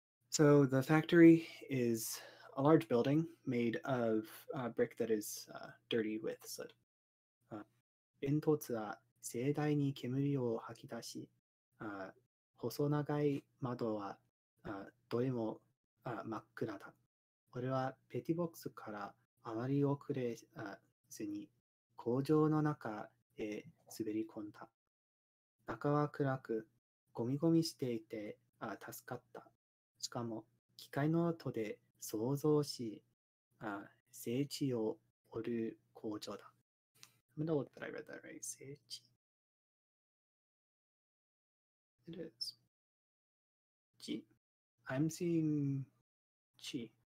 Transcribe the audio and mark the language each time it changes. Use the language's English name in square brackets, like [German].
[English] So the factory is a large building made of brick that is dirty with soot. [Japanese] 煙突は盛大に煙を吐き出し、細長い窓はどれも真っ暗だ。これはペティボックスからあまり遅れずに工場の中へ滑り込んだ。中は暗く、ゴミゴミしていて助かった。しかも機械の音で想像し、整地を織る工場だ。 [English] I'm gonna look that I read that right. [Japanese] 整地。 [English] It is. 地。I'm seeing 地。